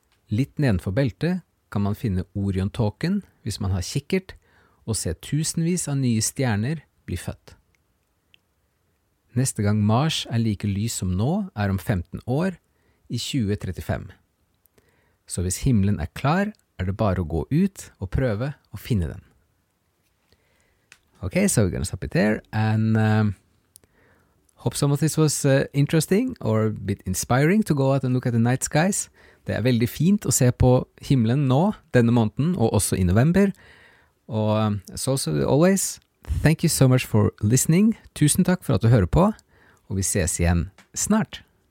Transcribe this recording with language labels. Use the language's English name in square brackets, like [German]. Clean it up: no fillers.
[Norwegian] Litt nedenfor beltet kan man finne Orion-tåken hvis man har kikkert og se tusenvis av nye stjerner bli født. Neste gang Mars like lys som nå om 15 år, I 2035. Så hvis himmelen klar, det bare å gå ut og prøve å finne den. [English] Okay, so we're going to stop it there and hope some of this was interesting or a bit inspiring to go out and look at the night skies. [Norwegian] Det veldig fint å se på himmelen nå, denne måneden, og også I november. [English] Og as also always, thank you so much for listening. [Norwegian] Tusen takk for at du hører på, og vi ses igjen snart.